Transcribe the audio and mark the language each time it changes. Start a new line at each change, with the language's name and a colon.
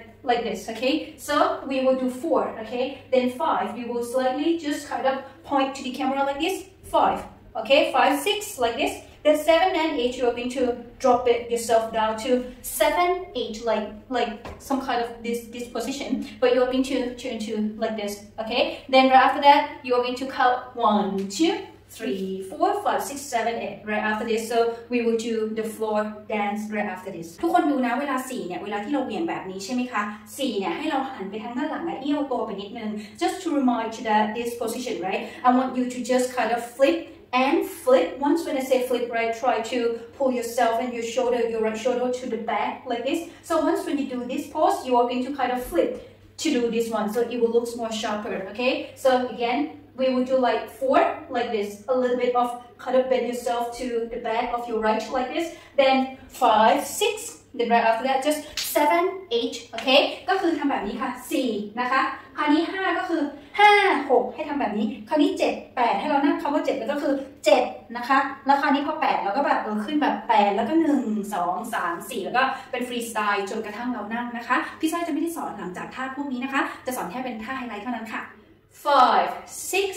English: like this okay so we will do 4 okay then 5 you will slightly just kind of point to the camera like this 5 okay 5 6 like thisThen 7 and 8, you are going to drop it yourself down to 7, 8, like some kind of this position. But you are going to turn to like this, okay? Then right after that, you are going to count 1, 2, 3, 4, 5, 6, 7, 8, right after this. So we will do the floor dance right after this.
Thai: ทุกคนดูนะเวลา4เนี่ยเวลาที่เราเหวี่ยงแบบนี้ใช่ไหมคะ4เนี่ยให้เราหันไปทางด้านหลังและเอี้ยวตัวไปนิดนึง
English: Just to remind you that this position, right? I want you to just kind of flipAnd flip, once when I say flip right, try to pull yourself and your shoulder, your right shoulder to the back like this. So once when you do this pose, you are going to kind of flip to do this one. So it will look more sharper, okay? So again, we will do like four like this. A little bit of kind of bend yourself to the back of your right like this. Then five, six, then right after that, just seven, eight, okay?
Thai: ก็คือทำแบบนี้ค่ะ4นะคะคราวนี้5ก็คือ5 6ให้ทำแบบนี้คราวนี้7 8ให้เรานับคำว่า7มันก็คือ7นะคะแล้วคราวนี้พอ8เราก็แบบขึ้นแบบ8แล้วก็1 2 3 4แล้วก็เป็นฟรีสไตล์จนกระทั่งเรานั่งนะคะพี่ซ้อยจะไม่ได้สอนหลังจากท่าพวกนี้นะคะจะสอนแค่เป็นท่าไฮไลท์เท่านั้นค่ะ5 6